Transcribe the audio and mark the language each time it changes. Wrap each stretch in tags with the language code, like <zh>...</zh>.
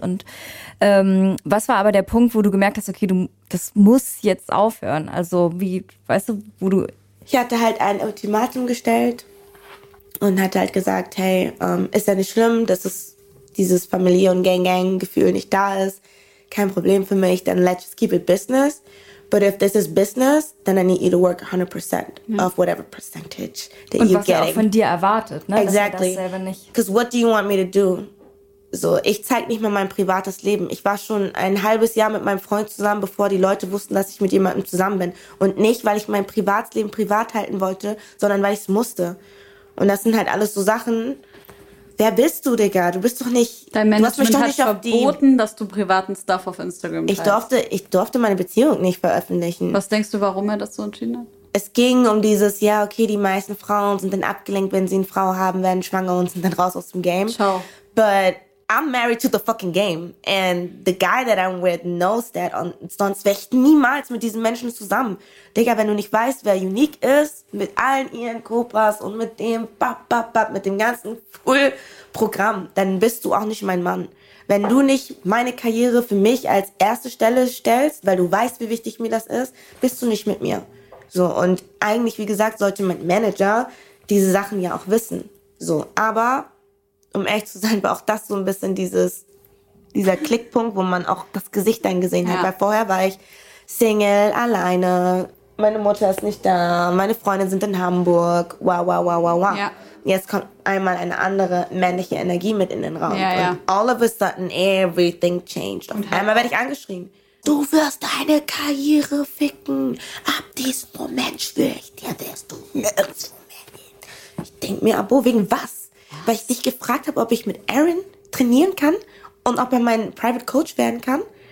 <de>Und was war aber der Punkt, wo du gemerkt hast, okay, das muss jetzt aufhören? Also wie, weißt du, wo du... Ich hatte halt ein Ultimatum gestellt und hatte halt gesagt, hey, ist ja nicht schlimm, dass es dieses Familie- und Gang-Gang-Gefühl nicht da ist. Kein Problem für mich, dann</de> <en>let's just keep it business. But if this is business, then I need you to work 100% of whatever percentage that</en> <de>und</de> <en>you're getting.</en> <de>Und was er auch von dir erwartet, ne?</de> <en>Exactly.</en> <de>Dass er das selber nicht...</de> <en>Because what do you want me to do?</en> <de>So, ich zeig nicht mehr mein privates Leben. Ich war schon ein halbes Jahr mit meinem Freund zusammen, bevor die Leute wussten, dass ich mit jemandem zusammen bin. Und nicht, weil ich mein Privatleben privat halten wollte, sondern weil ich es musste. Und das sind halt alles so Sachen... Wer bist du, Digga? Du bist doch nicht... Dein Management hat verboten, dass du privaten Stuff auf Instagram teilst. Ich durfte meine Beziehung nicht veröffentlichen. Was denkst du, warum er das so entschieden hat? Es ging um dieses, ja, okay, die meisten Frauen sind dann abgelenkt, wenn sie eine Frau haben, werden schwanger und sind dann raus aus dem Game. Ciao.</de> <en>But I'm married to the fucking game. And the guy that I'm with knows that.</en> <de>Und sonst wäre ich niemals mit diesen Menschen zusammen. Digga, wenn du nicht weißt, wer unique ist, mit allen ihren Cobras und mit dem, mit dem ganzen Full-Programm, dann bist du auch nicht mein Mann. Wenn du nicht meine Karriere für mich als erste Stelle stellst, weil du weißt, wie wichtig mir das ist, bist du nicht mit mir. So, und eigentlich, wie gesagt, sollte mein Manager diese Sachen ja auch wissen. So, aber... Um echt zu sein, war auch das so ein bisschen dieser Klickpunkt, wo man auch das Gesicht dann gesehen hat. Ja. Weil vorher war ich Single, alleine, meine Mutter ist nicht da, meine Freunde sind in Hamburg, wow. Ja. Jetzt kommt einmal eine andere männliche Energie mit in den Raum. Ja, und ja.</de> <en>All of a sudden, everything changed.</en> <de>Auf einmal werde ich angeschrien. Du wirst deine Karriere ficken. Ab diesem Moment schwöre ich dir, wirst du nirgends mehr gehen. Ich denke mir, Abo, wegen was? Weil ich dich gefragt habe, ob ich mit Aaron trainieren kann und ob er mein Private Coach werden kann.</de>